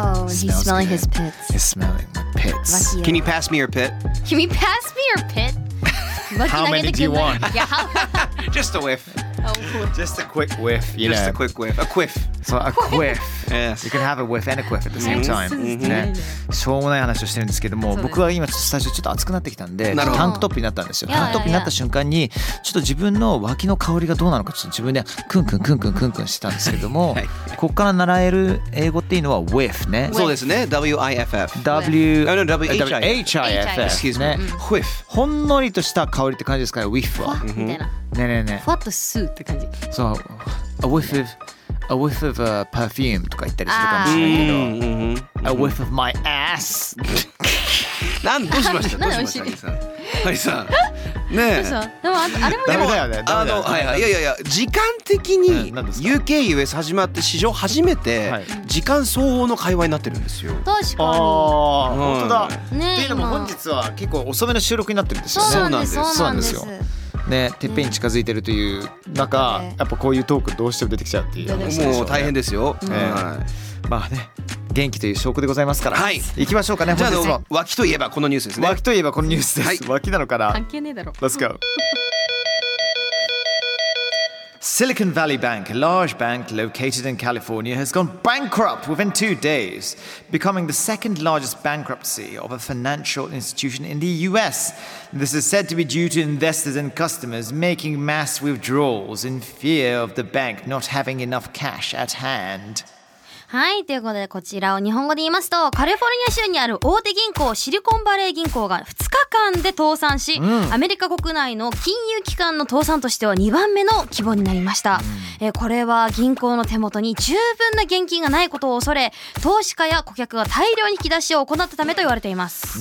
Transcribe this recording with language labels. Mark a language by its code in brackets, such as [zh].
[en] He's smelling his pits. He's smelling my pits. Can you pass me your pit? Can you pass me your pit? How many do you want? Just a whiff. Just a quick whiff, you Just know. Just a quick whiff. A quiff. So a quiff. Yes. You can have a whiff and a quiff at the same time. [ja] ね、しょうもない話をしてるんですけども、僕は今ちょっとスタジオちょっと暑くなってきたんで、タンクトップになったんですよ。タンクトップになった瞬間に、ちょっと自分の脇の香りがどうなのか、ちょっと自分でクンクンクンクンクンクンしてたんですけども、ここから習える英語っていうのは whiff ね。そうですね。W-I-F-F。 W- [en] No, W-H-I-F-F。 Excuse me。 Whiff。 [ja] ほんのりとした香りって感じですかね、whiff は。ねねね。ふわっと吸うって感じ。そう。 [en] A whiff of、A whiff of a perfume [ja] とか言ったりするかもしれないけど、 [en] A whiff of my ass。 [ja] なんどうしました、どうしました、ハリさん。ねえ。でもあれもダメだよね。あの、はいはい、いやいやいや、時間的に UK US 始まって史上初めて時間相応の会話になってるんですよ。確かに。ああ、本当だ。ねえ。っていうのも本日は結構遅めの収録になってるんですよね。そうなんです。そうなんですよ。ね、てっぺんに近づいてるという中、うん、やっぱこういうトークどうしても出てきちゃうっていう、ね、もう大変ですよ、ね、はい、まあね、元気という証拠でございますから、はい、行きましょうかね。じゃあ、本日は脇といえばこのニュースですね。脇といえばこのニュースです、はい、脇なのかな、関係ねえだろ。 [en] Let's go。 Silicon Valley Bank, a large bank located in California, has gone bankrupt within two days, becoming the second largest bankruptcy of a financial institution in the US. This is said to be due to investors and customers making mass withdrawals in fear of the bank not having enough cash at hand. [ja] はい、ということでこちらを日本語で言いますと、カリフォルニア州にある大手銀行シリコンバレー銀行が2日間で倒産し、アメリカ国内の金融機関の倒産としては2番目の規模になりました。これは銀行の手元に十分な現金がないことを恐れ、投資家や顧客が大量に引き出しを行ったためと言われています。